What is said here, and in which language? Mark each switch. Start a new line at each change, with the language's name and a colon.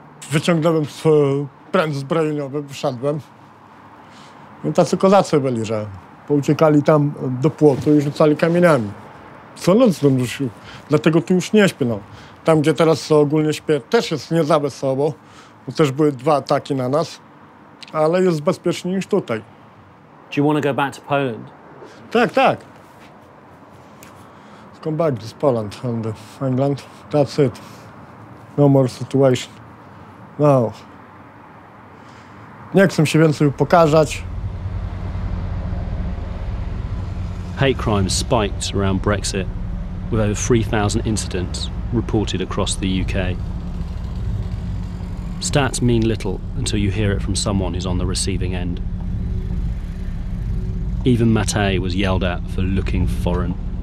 Polish: Wyciągnąłem pręt zbrojeniowy, wyszedłem. No tacy kozacy byli, że pouciekali tam do płotu i rzucali kamieniami. Co noc bym rzucił, dlatego tu już nie śpię. No. Tam, gdzie teraz ogólnie śpię, też jest nie za wesoło, bo też były 2 ataki na nas, ale jest bezpieczniej niż tutaj.
English: Do you want to go back to Poland?
Polish: Tak, tak.
English: Come back to Poland and England. That's it. No more situation. No.
Polish: Nie chcę się więcej pokazać.
English: Hate crimes spiked around Brexit, with over 3,000 incidents reported across the UK. Stats mean little until you hear it from someone who's on the receiving end. Even Mate was yelled at for looking foreign.